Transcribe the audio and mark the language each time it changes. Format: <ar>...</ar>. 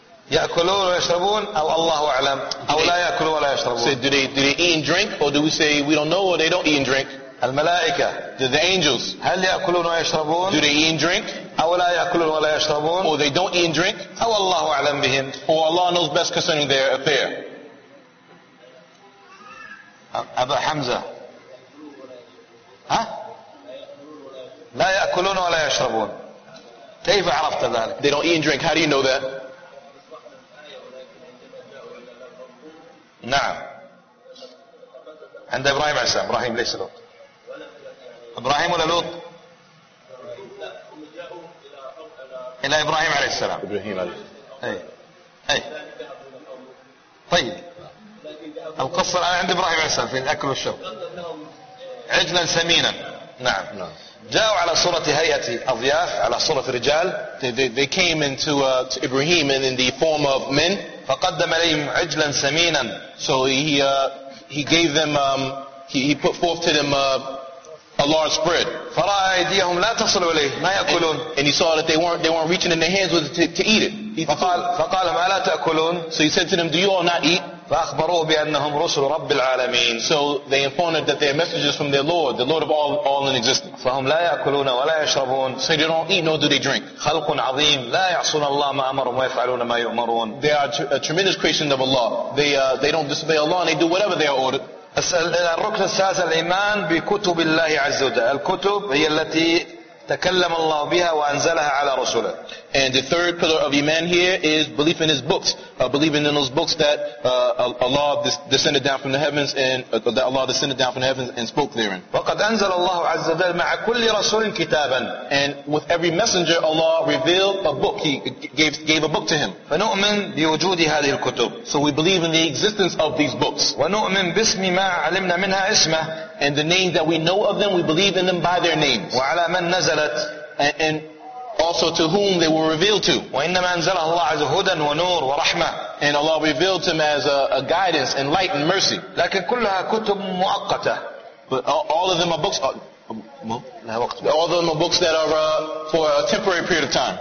<ar>يأكلون ويشربون أو الله أعلم أو لا يأكلون ولا يشربون.</ar> <en>Say, do they eat and drink, or do we say we don't know, or they don't eat and drink?</en> <ar>الملائكة.</ar> <en>Do the angels.</en> <ar>هل يأكلون ويشربون?</ar> <en>Do they eat and drink?</en> <ar>أو لا يأكلون ولا يشربون?</ar> <en>Or they don't eat and drink?</en> <ar>أو الله أعلم بهم.</ar> <en>Or Allah knows best concerning their affair.</en> <ar>أبا حمزة. لا يأكلون ولا يشربون. كيف عرفت ذلك?</ar> <en>They don't eat and drink. How do you know that?</en> <ar>نعم. عند إبراهيم عليه السلام. إبراهيم ليس لوط. إبراهيم ولا لوط? إلى إبراهيم عليه السلام. إبراهيم عليه السلام. أي. طيب. القصة الآن عند إبراهيم عليه السلام في الأكل والشرب. عجلا سمينا. نعم. جاءوا على صورة هيئة أضياف على صورة رجال.</ar> <en>They came into to Ibrahim in the form of men.</en> <ar>فقدم لهم عجلا سمينا.</ar> <en>So he gave them he put forth to them a large spread.</en> <ar>فرأى أيديهم لا تصل إليه ما يأكلون.</ar> <en>And he saw that they weren't reaching in their hands with to eat it.</en> <ar>فقال ما لا تأكلون.</ar> <en>So he said to them, do you all not eat?</en> <ar>فأخبروه بأنهم رسل رب العالمين.</ar> <en>So they informed him that they are messengers from their Lord, the Lord of all in existence.</en> <ar>فهم لا يأكلون ولا يشربون.</ar> <en>So they don't eat nor do they drink.</en> <ar>خلق عظيم لا يعصون الله ما أمرهم ويفعلون ما يؤمرون.</ar> <en>They are a tremendous creation of Allah. They don't disobey Allah and they do whatever they are ordered.</en> <ar>الركن السادس الإيمان بكتب الله عز وجل. الكتب هي التي تكلم الله بها وأنزلها على رسوله.</ar> <en>And the third pillar of iman here is belief in his books, believing in those books that Allah descended down from the heavens and that Allah descended down from the heavens and spoke therein.</en> <ar>وقد أنزل الله عز وجل مع كل رسول كتابا.</ar> <en>And with every messenger, Allah revealed a book. He gave a book to him.</en> <ar>فنؤمن بوجود هذه الكتب.</ar> <en>So we believe in the existence of these books.</en> <ar>ونؤمن باسم ما علمنا منها اسمه.</ar> <en>And the name that we know of them, we believe in them by their names.</en> <ar>وعلى من نزلت.</ar> <en>And also to whom they were revealed to.</en> <ar>وإنما أنزله الله عز هدى ونور ورحمة.</ar> <en>And Allah revealed to him as a guidance and light and mercy.</en> <ar>لكن كلها كتب مؤقتة.</ar> <en>But all of them are books. All of them are books that are for a temporary period of time.</en>